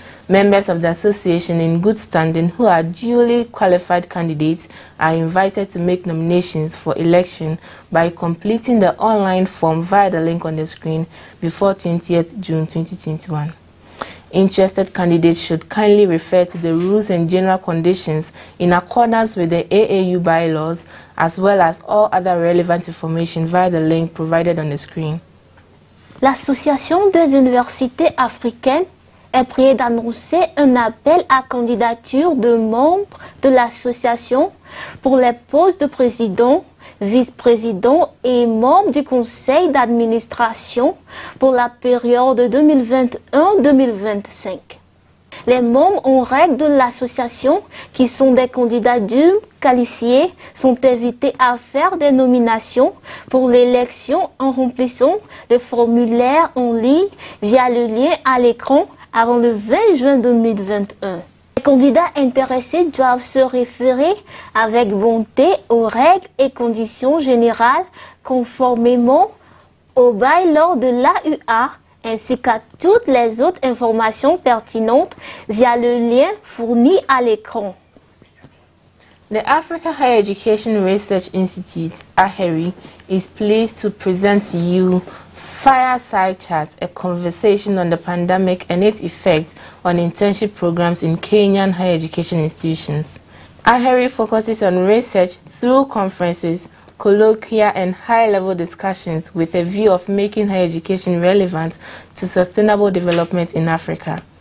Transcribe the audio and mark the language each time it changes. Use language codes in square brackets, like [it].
[en] Members of the association in good standing who are duly qualified candidates are invited to make nominations for election by completing the online form via the link on the screen before 20th June 2021. Interested candidates should kindly refer to the rules and general conditions in accordance with the AAU bylaws as well as all other relevant information via the link provided on the screen. [fr] L'Association des universités africaines est priée d'annoncer un appel à candidature de membres de l'association pour les postes de président, vice-président et membre du conseil d'administration pour la période 2021-2025. Les membres en règle de l'association qui sont des candidats dûment qualifiés sont invités à faire des nominations pour l'élection en remplissant le formulaire en ligne via le lien à l'écran avant le 20 juin 2021. Les candidats intéressés doivent se référer avec bonté aux règles et conditions générales conformément aux bylaws de l'AUA ainsi qu'à toutes les autres informations pertinentes via le lien fourni à l'écran. [en] The Africa Higher Education Research Institute, AHERI, is pleased to present to you Fireside Chat, a conversation on the pandemic and its effects on internship programs in Kenyan higher education institutions. AHERI focuses on research through conferences, colloquia, and high-level discussions with a view of making higher education relevant to sustainable development in Africa.